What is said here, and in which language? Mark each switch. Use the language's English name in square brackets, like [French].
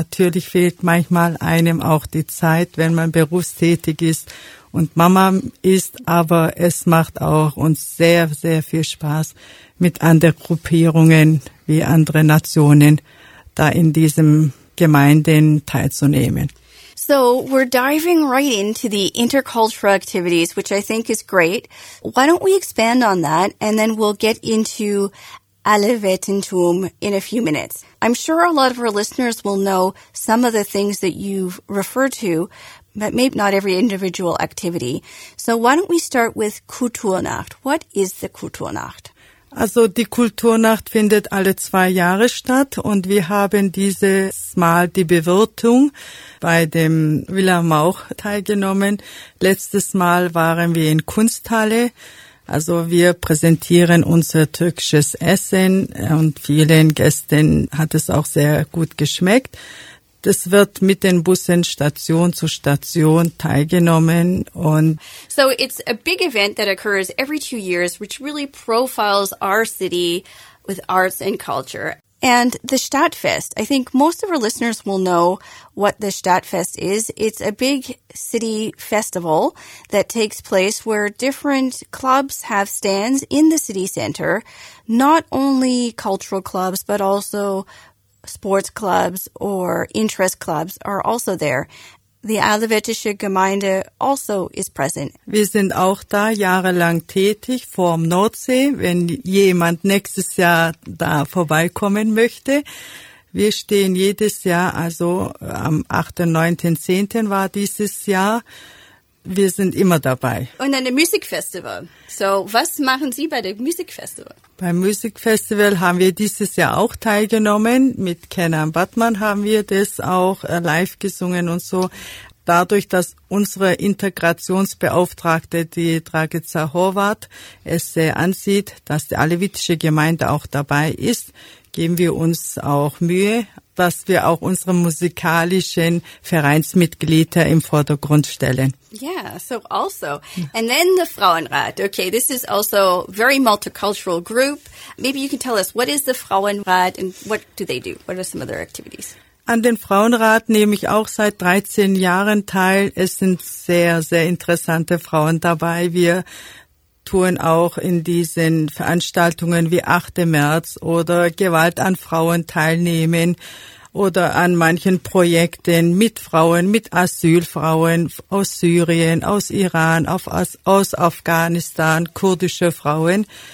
[German] Natürlich fehlt manchmal einem auch die Zeit, wenn man berufstätig ist und Mama ist. Aber es macht auch uns sehr, sehr viel Spaß, mit anderen Gruppierungen wie anderen Nationen da in diesem Gemeinden teilzunehmen. [English] So we're diving right into the intercultural activities, which I think is great. Why don't we expand on that, and then we'll get into Allerwettentum in a few minutes. I'm sure a lot of our listeners will know some of the things that you've referred to, but maybe not every individual activity. So why don't we start with Kulturnacht? What is the Kulturnacht? [German] Also die Kulturnacht findet alle 2 Jahre statt und wir haben dieses Mal die Bewirtung bei dem Villa Mauch teilgenommen. Letztes Mal waren wir in Kunsthalle. Also wir präsentieren unser türkisches Essen und vielen Gästen hat es auch sehr gut geschmeckt. Das wird mit den Bussen Station zu Station teilgenommen und [English] so it's a big event that occurs every 2 years, which really profiles our city with arts and culture. And the Stadtfest, I think most of our listeners will know what the Stadtfest is. It's a big city festival that takes place where different clubs have stands in the city center, not only cultural clubs, but also sports clubs or interest clubs are also there. The Alevetische Gemeinde also is present. [German] Wir sind auch da jahrelang tätig vorm Nordsee, wenn jemand nächstes Jahr da vorbeikommen möchte. Wir stehen jedes Jahr, also am 8., 9., 10. war dieses Jahr. Wir sind immer dabei. Und dann der Musikfestival. So, was machen Sie bei dem Musikfestival? Beim Musikfestival haben wir dieses Jahr auch teilgenommen. Mit Kenan Batman haben wir das auch live gesungen und so. Dadurch, dass unsere Integrationsbeauftragte, die Dragica Horvat, es sehr ansieht, dass die Alevitische Gemeinde auch dabei ist, geben wir uns auch Mühe, dass wir auch unsere musikalischen Vereinsmitglieder im Vordergrund stellen. [English] Yeah, so also. And then the Frauenrat. Okay, this is also very multicultural group. Maybe you can tell us, what is the Frauenrat and what do they do? What are some of their activities? [German] An den Frauenrat nehme ich auch seit 13 Jahren teil. Es sind sehr, sehr interessante Frauen dabei. Wir tun auch in diesen Veranstaltungen wie 8. März oder Gewalt an Frauen teilnehmen oder an manchen Projekten mit Frauen, mit Asylfrauen aus Syrien, aus Iran, aus Afghanistan, kurdische Frauen.